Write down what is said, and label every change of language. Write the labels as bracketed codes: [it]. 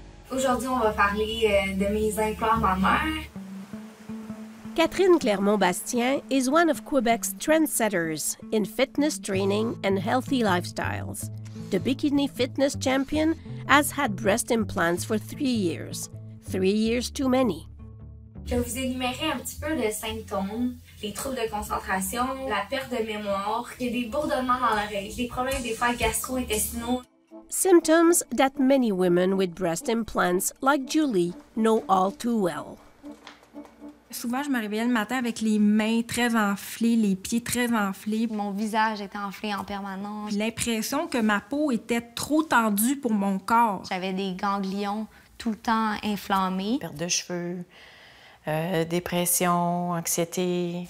[fr] Aujourd'hui, on va parler de mes implants mammaires. [en] Catherine Clermont-Bastien is one of Quebec's trendsetters in fitness training and healthy lifestyles. The bikini fitness champion has had breast implants for 3 years. 3 years too many. [fr] Je vais vous énumérer un petit peu de symptômes. Les troubles de concentration, la perte de mémoire, j'ai des bourdonnements dans l'oreille, des problèmes des fois gastro-intestinaux. [en] Symptoms that many women with breast implants, like Julie, know all too well. [fr] Souvent, je me réveillais le matin avec les mains très enflées, les pieds très enflés. Mon visage était enflé en permanence. L'impression que ma peau était trop tendue pour mon corps. J'avais des ganglions tout le temps inflammés. Perte de cheveux. Dépression, anxiété.